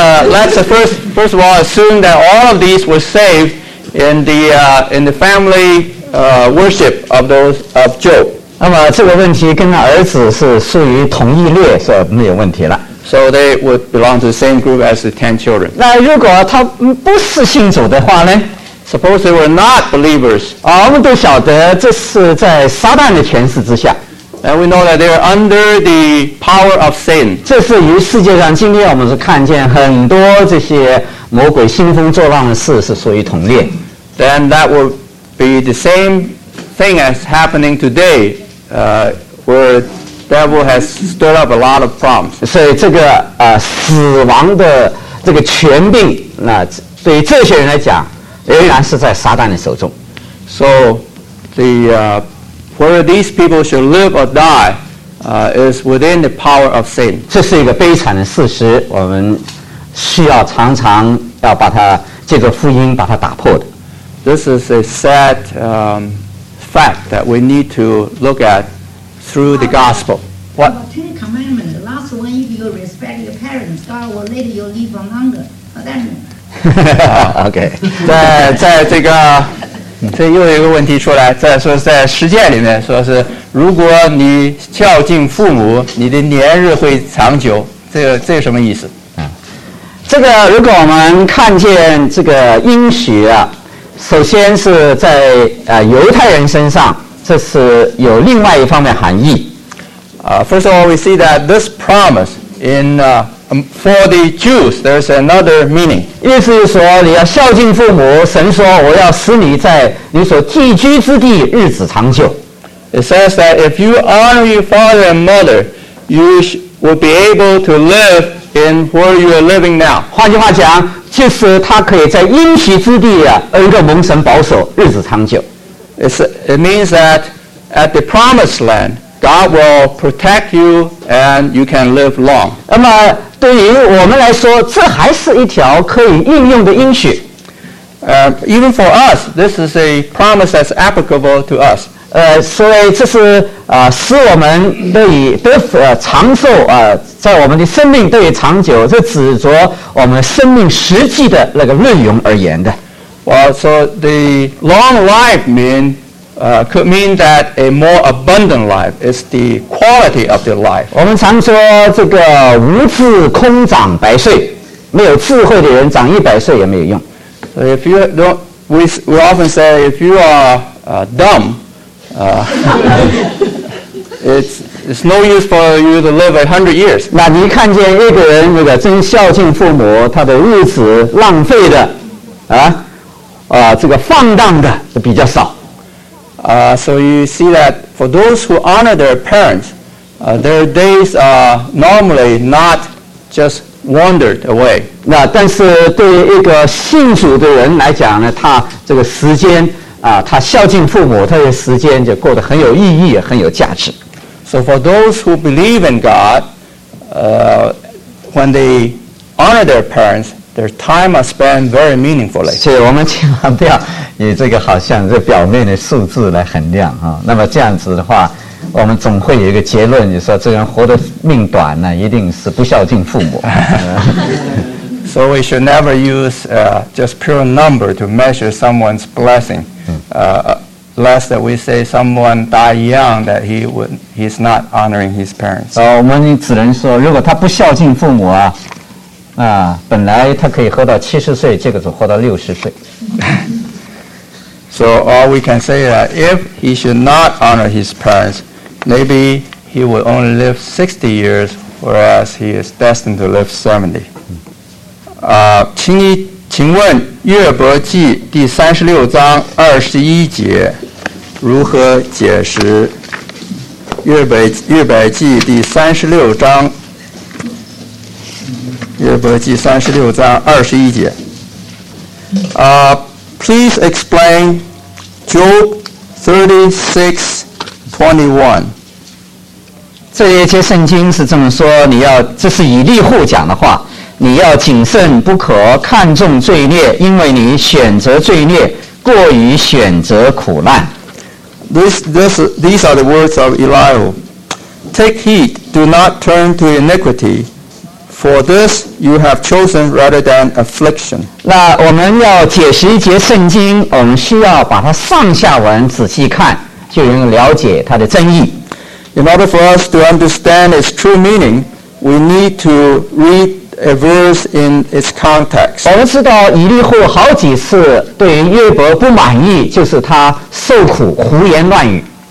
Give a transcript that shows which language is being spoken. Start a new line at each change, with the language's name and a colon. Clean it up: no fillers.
English: let's first of all assume that all of these were saved in the family worship of those of Job
Chinese: 那么这个问题跟儿子是属于同一列是没有问题了
English: So they would belong to the same group as the 10 children.
Chinese: 那如果他不是信主的话呢
English: Suppose they were not believers.
Chinese: 我们都晓得这是在撒旦的权势之下
English: And we know that they are under the power of sin.
Chinese: 这是于世界上今天我们是看见很多这些魔鬼兴风作浪的事是属于同列
English: Then that would be the same thing as happening today where devil has stirred up a lot of problems.
Chinese: 所以这个死亡的这个权柄，那对于这些人来讲，仍然是在撒旦的手中。
English: So the whether these people should live or die, is within the power of sin.
Chinese: 这是一个悲惨的事实，我们需要常常要把它借着福音把它打破的。
English: This is a sad fact that we need to look at. Through the gospel. What? The Ten Commandments, the last one, if you respect your parents, God will let you live longer. Okay.
Chinese: 在这个这又有一个问题出来，再说是在实践里面，说是如果你孝敬父母，你的年日会长久，这有什么意思？这个如果我们看见这个应许啊，首先是在犹太人身上，这是有另外一方面含义。
English: First of all, we see that this promise in for the Jews, there's another meaning.
Chinese: 意思是说，你要孝敬父母，神说我要使你在你所寄居之地日子长久。
English: It says that if you honor your father and mother, you will be able to live in where you are living now.
Chinese: 换句话讲，就是他可以在应许之地啊，而一个蒙神保守，日子长久。
English: It means that at the promised land, God will protect you and you can live long.
Chinese: 那么对于我们来说，这还是一条可以应用的应许。
English: Even for us, this is a promise that's applicable to us.
Chinese: 所以这是使我们得以得长寿啊，在我们的生命得以长久，这指着我们生命实际的那个内容而言的。
English: Well, so the long life could mean that a more abundant life is the quality of the life.
Chinese: 我们常说这个无智空长百岁，没有智慧的人长一百岁也没有用。
English: So if you don't, we often say if you are dumb, it's no use for you to live 100 years.
Chinese: 那你看见一个人那个真孝敬父母，他的日子浪费的，这个放荡的比较少。
English: So you see that for those who honor their parents, their days are normally not just wandered away.
Chinese: 那但是对于一个信主的人来讲呢，他这个时间他孝敬父母，他的时间就过得很有意义，很有价值。
English: So for those who believe in God, when they honor their parents,Their time are spent very meaningfully.
Chinese: 所以我们千万不要以这个好像这表面的数字来衡量啊。那么这样子的话，我们总会有一个结论，就说这人活得命短呢，一定是不孝敬父母。
English: So we should never use just pure number to measure someone's blessing. Lest that we say someone die young, that he's not honoring his parents.
Chinese: 我们只能说，如果他不孝敬父母啊。本来他可以活到70岁，结果只活到60岁。
English: So all we can say that if he should not honor his parents, maybe he would only live 60 years, whereas he is destined to live 70.
Chinese: 请问《约伯记》第36章21节如何解释《约伯记》第36章？约伯记36章21节。
English: Please explain Job 36:21.
Chinese: 这一节圣经是这么说：你要，这是以利户讲的话，你要谨慎，不可看重罪孽，因为你选择罪孽，过于选择苦难。
English: These are the words of Elihu. Take heed, do not turn to iniquity. For this, you have chosen rather than affliction.
Chinese: 那我们要解释一节圣经，我们需要把它上下文仔细看，就能了解它的真意。
English: In order for us to understand its true meaning, we need to read a verse in its context.
Chinese: 我们知道以利户好几次对约伯不满意，就是他受苦胡言乱语。